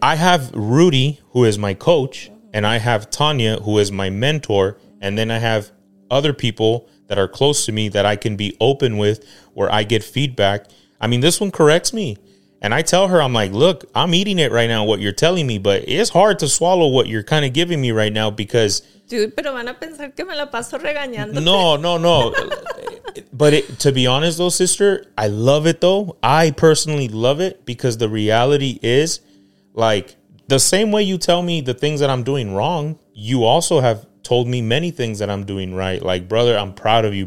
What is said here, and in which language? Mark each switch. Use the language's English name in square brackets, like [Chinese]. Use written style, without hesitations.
[English] I have Rudy, who is my coach, mm-hmm. and I have Tanya, who is my mentor. And then I have other people that are close to me that I can be open with, where I get feedback. I mean, this one corrects me. And I tell her, I'm like, look, I'm eating it right now, what you're telling me. But it's hard to swallow what you're kind of giving me right now, because... [Spanish] Dude, pero van a pensar que me la paso regañando. [English] No. But to be honest, though, sister, I love it, though. I personally love it, because the reality is, like, the same way you tell me the things that I'm doing wrong, you also have told me many things that I'm doing right. Like, brother, I'm proud of you.